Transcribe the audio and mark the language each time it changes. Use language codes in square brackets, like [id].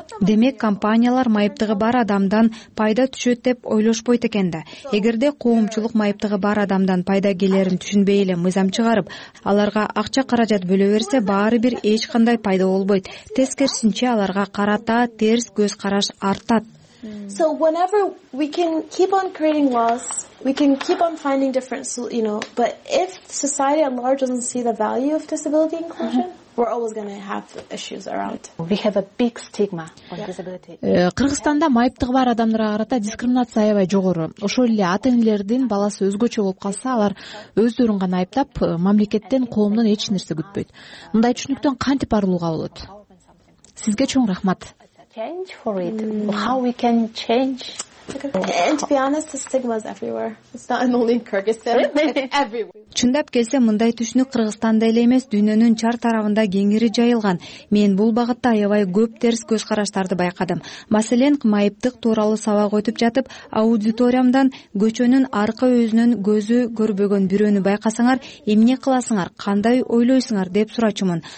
[ky] Демек компаниялар майыптыгы бар адамдан пайда түшөт деп ойлошпойт экен да. Эгерде коомчулук майыптыгы бар адамдан пайда келерин түшүнбөй эле мыйзам чыгарып, аларга акча каражат бөлө берсе, баары бир эч кандай пайда болбойт. Тескерисинче аларга карата терс көз караш артат. [en] So whenever we can keep on creating laws, we can keep on finding different, you know, but if society at large doesn't see the value of disability inclusion, we're always going to have issues around. We have a big stigma on disability. [ky] Кыргызстанда майыптыгы бар адамдарга карата дискриминация аябай жогору. Ошол эле ата-энелердин баласы өзгөчө болуп калса, алар өздөрүн гана айыптап, мамлекеттен, коомдон эч нерсе күтпөйт. Мындай түшүнүктөн кантип арылууга болот? Сизге чоң рахмат. [en] Change for it. How we can change? And to be honest, the stigma is everywhere. It's not only in Kyrgyzstan. It's everywhere. [ky] Чындап келсе, мындай түшүнүк Кыргызстанда эле эмес, дүйнөнүн чар тарабында кеңири жайылган. Мен бул багытта аябай көп терс көз караштарды байкадым. Маселен, майыптык тууралуу сабак өтүп жатып, аудиториямдан көчөнүн аркы өзүнөн көзү көрбөгөн бирөөнү байкасаңар, эмне кыласыңар, кандай ойлойсуңар деп сурачумун.